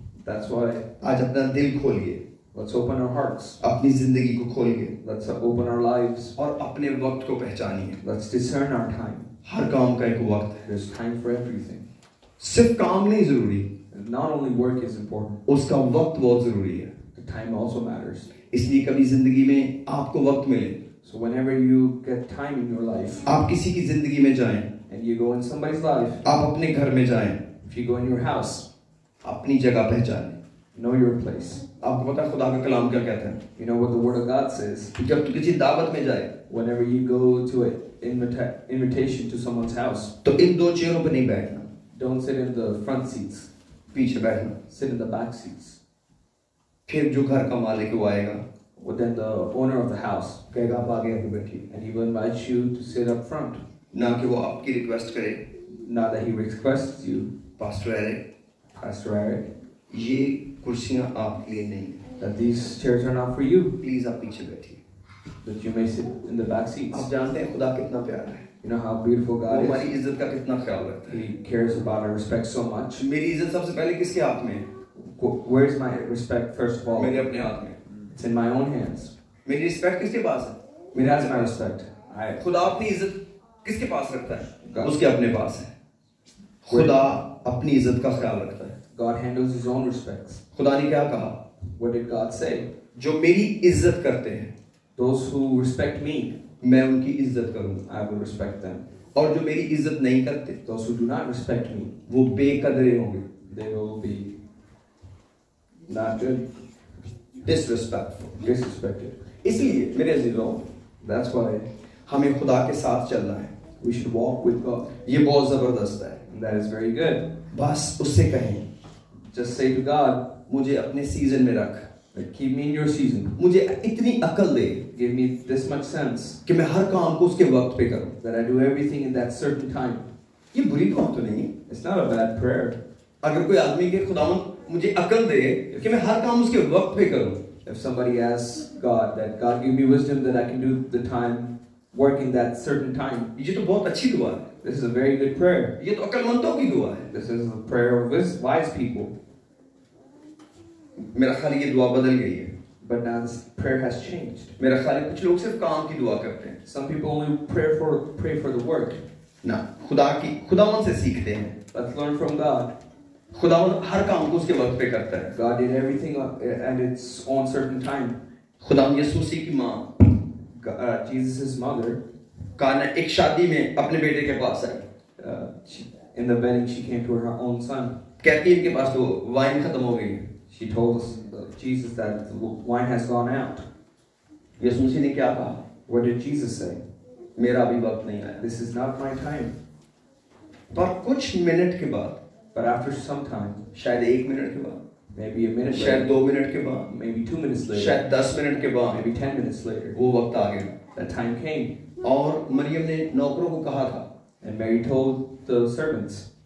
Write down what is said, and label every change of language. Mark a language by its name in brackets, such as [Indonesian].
[English] That's why. [Hindi] आज अपना दिल खोलिए. [English] Let's open our hearts. [Hindi] अपनी ज़िंदगी को खोलिए. [English] Let's open our lives. [Hindi] और अपने वक्त को पहचानिए. [English] Let's discern our time. [Hindi] हर काम का एक वक्त है. [English] There's time for everything. [Hindi] सिर्फ काम नहीं ज़रूरी. [English] Not only work is important. [Hindi] उसका वक्त बहुत ज़रूरी है. [English] The time also matters. [Hindi] इसलिए कभी ज़िंदगी में आपको वक्त मिले. [English] So whenever you get time in your life. [Hindi] आप किसी की ज़िंदगी में जाएं. [English] And you go in somebody's life. [Hindi] आप अपने घर में जाएं. [English] If you go in your house. [Hindi] अपनी जगह पहचाने. [English] Know your place. [Hindi] आपको पता है खुदा का कलाम क्या कहता है? [English] You know what the word of God says. [Hindi] जब तू किसी दावत में जाए. [English] Whenever you go to an invitation to someone's house. [Hindi] तो इन दो चेयरों पर नहीं बैठना. [English] Don't sit in the front seats. [Hindi] पीछे बैठना. [English] Sit in the back seats. [Hindi] फिर जो घर का मालिक वो आएगा. [English] Well, then the owner of the house. [Hindi] कहेगा आप आगे आके बैठिए. [English] And he will invite you to sit up front. [Hindi] ना कि वो आपकी रिक्वेस्ट करे [English] ना that he request you pastor Eric [Hindi] ये कुर्सियां आपके लिए नहीं [English] that these chairs are not for you [Hindi] please आप पीछे बैठिए [English] that you may sit in the back seat [Hindi] आप जानते हैं खुदा कितना प्यारा है [English] You know how beautiful God is. [Hindi] हमारी इज्जत का कितना ख्याल रखता है. [English] He cares about our respect so much. [Hindi] मेरी इज्जत सबसे पहले किसके हाथ में? [English] Where is my respect first of all? [Hindi] मेरे अपने हाथ में. [English] It's in my own hands. [Hindi] मेरी रिस्पेक्ट किसके पास है? मेरे हाथ में रिस्पेक्ट. खुदा अपनी इज्जत किसके पास रखता है? उसके अपने पास है. खुदा अपनी इज्जत का ख्याल रखता है. [English] God handles his own respects. [Hindi] खुदा ने क्या कहा? [English] What did God say? [Hindi] जो मेरी इज्जत करते हैं. [English] Those who respect me. [Hindi] मैं उनकी इज्जत करूंगा [English] I will respect them. [Hindi] और जो मेरी इज्जत नहीं करते [English] Those who do not respect me, [Hindi] वो बेकदरे होंगे [English] They will be not good. Disrespected. [Hindi] इसलिए मेरे अजीजों [English] That's why [Hindi] हमें खुदा के साथ चलना है [English] We should walk with God. [Hindi] ये बहुत जबरदस्त है [English] That is very good. [Hindi] बस उससे कहें [English] Just say to God, [Hindi] मुझे अपने सीजन में रख [English] Like keep me in your season. [Hindi] मुझे इतनी अकल दे. [English] Give me this much sense. [Hindi] कि मैं हर काम को उसके वक्त पे करूं. [English] That I do everything in that certain time. [Hindi] ये बुरी बात तो नहीं. [English] It's not a bad prayer. [Hindi] अगर कोई आदमी के खुदावन मुझे अकल दे कि मैं हर काम उसके वक्त पे करूं. [English] If somebody asks God that God give me wisdom that I can do the time work in that certain time. [Hindi] ये तो बहुत अच्छी दुआ है. [English] This is a very good prayer. [Hindi] ये तो अकलमंदों की दुआ है. [English] This is a prayer of wise people. [Hindi] मेरा ख्याल ये दुआ बदल गई है [English] But now this prayer has changed. [Hindi] मेरा ख्याल कुछ लोग सिर्फ काम की दुआ करते हैं [English] Some people only pray for the work. [Hindi] ना खुदा की खुदावन से सीखते हैं [English] Let's learn from God. [Hindi] खुदावन हर काम को उसके वक्त पे करता है [English] God did everything and it's on certain time. [Hindi] खुदावन यीशु मसीह की माँ [English] Jesus's mother [Hindi] काना एक शादी में अपने बेटे के पास आई [English] In the wedding she came to her own son. [Hindi] कहती है इनके पास तो वाइन खत्म हो गई [English] She told us, Jesus that the wine has gone out. [Hindi] यीशु मसीह ने क्या कहा? [English] What did Jesus say? [Hindi] मेरा अभी वक्त नहीं आया. [English] This is not my time. [Hindi] पर कुछ मिनट के बाद, [English] but after some time, [Hindi] शायद एक मिनट के बाद, [English] maybe a minute, [Hindi] शायद दो मिनट के बाद, [English] maybe 2 minutes later, [Hindi] शायद 10 minutes के बाद, [English] maybe 10 minutes later, [Hindi] वो वक्त आ गया. [English] That time came. [Hindi] और मरियम ने नौकरों को कहा था, [English] and Mary told the servants,